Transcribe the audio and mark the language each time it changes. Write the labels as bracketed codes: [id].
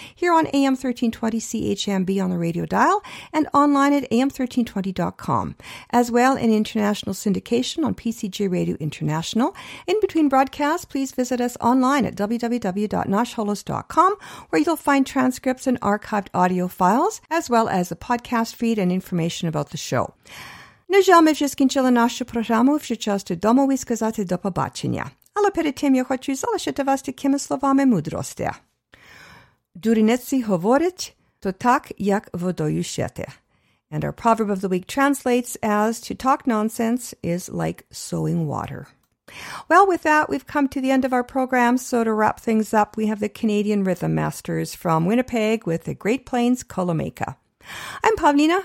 [en] here on AM 1320 CHMB on the radio dial and online at am1320.com, as well in international syndication on PCJ Radio International. In between broadcasts, please visit us online at www.noshholos.com, where you'll find transcripts and archived audio files, as well as a podcast feed and information about the show. [uk] На жаль, ми вже скінчили нашу програму. Вже час додому і сказати до побачення. Але перед тим я хочу залишити вас такими словами мудрості. Дурниці говорить, то так, як водою щете. [en] And our proverb of the week translates as, to talk nonsense is like sowing water. Well, with that, we've come to the end of our program. So to wrap things up, we have the Canadian Rhythm Masters from Winnipeg with the Great Plains Colomeka. I'm Pavlina.